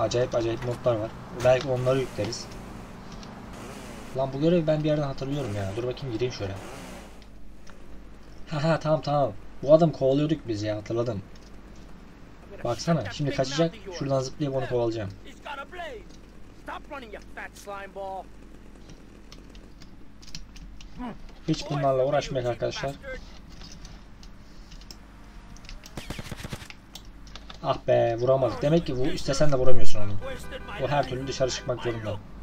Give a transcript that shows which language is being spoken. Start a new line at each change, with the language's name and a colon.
Turkish: Acayip acayip modlar var. Belki onları yükleriz. Lan bu görevi ben bir yerden hatırlıyorum ya. Dur bakayım gireyim şöyle. Haha tamam. Bu adam kovalıyorduk biz ya hatırladım. Baksana şimdi kaçacak. Şuradan zıplayıp onu kovalayacağım.
English: Stop running you fat slime ball.
Turkish: Hiç bunlarla uğraşmayın arkadaşlar. Ah be vuramadık. Demek ki bu istesen de vuramıyorsun onu. Bu her türlü dışarı çıkmak zorunda.